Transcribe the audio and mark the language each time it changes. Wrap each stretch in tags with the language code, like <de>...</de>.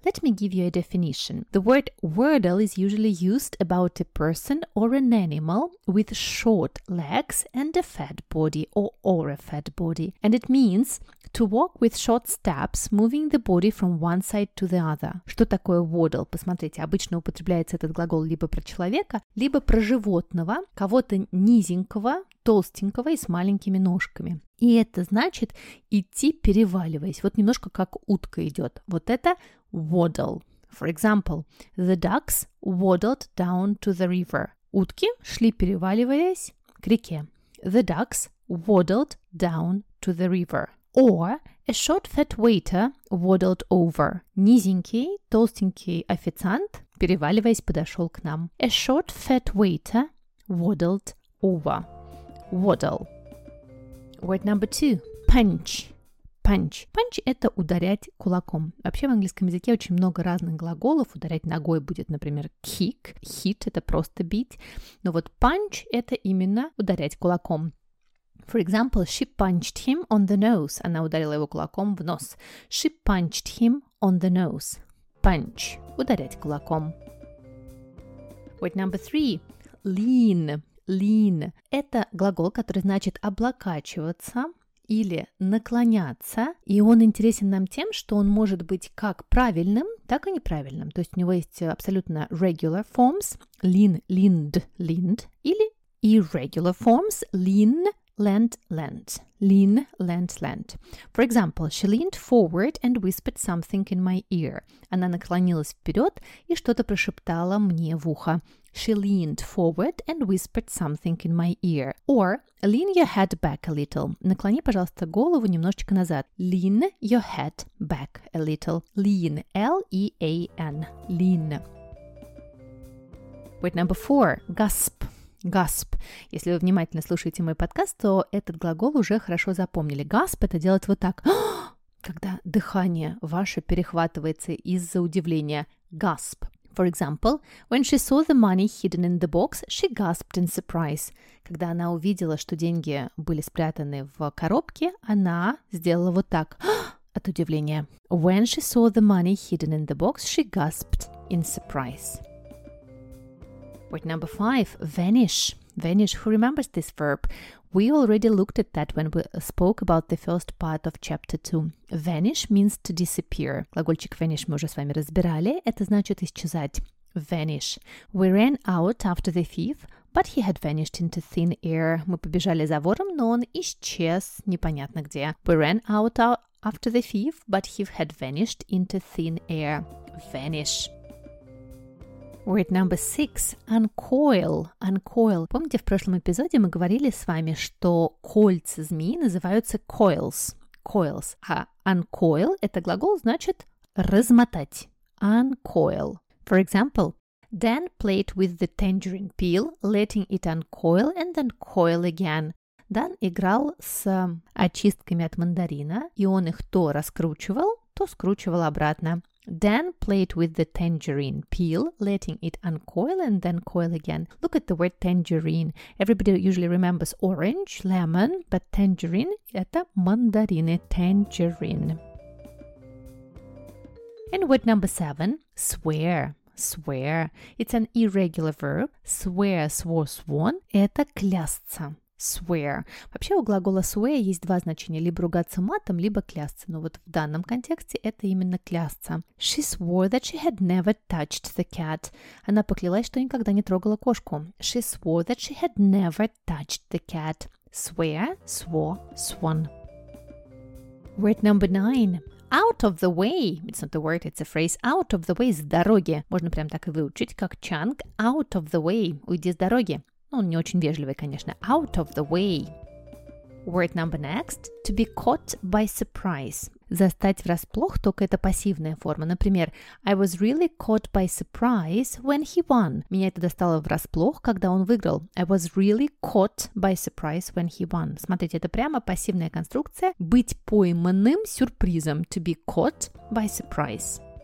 <en>Let me give you a definition. The word waddle is usually used about a person or an animal with short legs and a fat body or a fat body. And it means to walk with short steps, moving the body from one side to the other.</en> <ru>Что такое waddle? Посмотрите, обычно употребляется этот глагол либо про человека, либо про животного, кого-то низенького, толстенького и с маленькими ножками. И это значит идти переваливаясь, вот немножко как утка идет. Вот это waddle.</ru> <en>For example, the ducks waddled down to the river.</en> <ru>Утки шли переваливаясь к реке.</ru> <en>The ducks waddled down to the river. Or a short fat waiter waddled over.</en> <ru>Низенький, толстенький официант, переваливаясь, подошел к нам.</ru> <en>A short fat waiter waddled over. Waddle. Word number two. Punch. Punch.</en> <ru>Punch – это ударять кулаком. Вообще в английском языке очень много разных глаголов. Ударять ногой будет, например, kick. Hit – это просто бить. Но вот punch – это именно ударять кулаком.</ru> <en>For example, she punched him on the nose.</en> <ru>Она ударила его кулаком в нос.</ru> <en>She punched him on the nose. Punch.</en> <ru>Ударять кулаком.</ru> <en>Word number three. Lean. Lean.</en> <ru>Это глагол, который значит облокачиваться или наклоняться. И он интересен нам тем, что он может быть как правильным, так и неправильным. То есть у него есть абсолютно regular forms.</ru> <en>Lean, leaned, leaned.</en> <ru>Или</ru> <en>irregular forms. Lean, lent, lent. Lean, lent, lent. For example, she leaned forward and whispered something in my ear.</en> <ru>Она наклонилась вперед и что-то прошептала мне в ухо.</ru> <en>She leaned forward and whispered something in my ear. Or, lean your head back a little.</en> <ru>Наклони, пожалуйста, голову немножечко назад.</ru> <en>Lean your head back a little. Lean, L-E-A-N. Lean. Word number four. Gasp. Gasp.</en> <ru>Если вы внимательно слушаете мой подкаст, то этот глагол уже хорошо запомнили. Gasp – это делать вот так. Когда дыхание ваше перехватывается из-за удивления.</ru> <en>Gasp. For example, when she saw the money hidden in the box, she gasped in surprise.</en> <ru>Когда она увидела, что деньги были спрятаны в коробке, она сделала вот так от удивления.</ru> <en>When she saw the money hidden in the box, she gasped in surprise. Word number five, vanish. Vanish, who remembers this verb? We already looked at that when we spoke about the first part of chapter 2. Vanish means to disappear.</en> <ru>Глагольчик vanish мы уже с вами разбирали. Это значит исчезать. Vanish.</ru> <en>We ran out after the thief, but he had vanished into thin air.</en> <ru>Мы побежали за вором, но он исчез непонятно где.</ru> <en>We ran out after the thief, but he had vanished into thin air. Vanish. Word number six. Uncoil. Uncoil.</en> <ru>Помните, в прошлом эпизоде мы говорили с вами, что кольца змеи называются coils.</ru> <en>Coils.</en> <ru>А uncoil – это глагол, значит размотать.</ru> <en>Uncoil. For example, Dan played with the tangerine peel, letting it uncoil and then coil again.</en> <ru>Дан играл с очистками от мандарина, и он их то раскручивал, то скручивал обратно.</ru> <en>Dan played with the tangerine peel, letting it uncoil and then coil again. Look at the word tangerine. Everybody usually remembers orange, lemon, but tangerine –</en> <ru>это мандарины,</ru> <en>tangerine. And word number seven – swear. Swear. It's an irregular verb. Swear, swore, sworn –</en> <ru>это клясться.</ru> <en>Swear.</en> <ru>Вообще у глагола swear есть два значения, либо ругаться матом, либо клясться. Но вот в данном контексте это именно клясться.</ru> <en>She swore that she had never touched the cat.</en> <ru>Она поклялась, что никогда не трогала кошку.</ru> <en>She swore that she had never touched the cat. Swear, swore, sworn. Word number nine. Out of the way. It's not a word, it's a phrase. Out of the way –</en> <ru>с дороги. Можно прям так и выучить, как Чанг.</ru> <en>Out of the way –</en> <ru>уйди с дороги. Ну, он не очень вежливый, конечно.</ru> <en>Out of the way. Word number next. To be caught by surprise.</en> <ru>Застать врасплох, только это пассивная форма. Например,</ru> <en>I was really caught by surprise when he won.</en> <ru>Меня это достало врасплох, когда он выиграл.</ru> <en>I was really caught by surprise when he won.</en> <ru>Смотрите, это прямо пассивная конструкция. Быть пойманным сюрпризом.</ru> <en>To be caught by surprise.</en>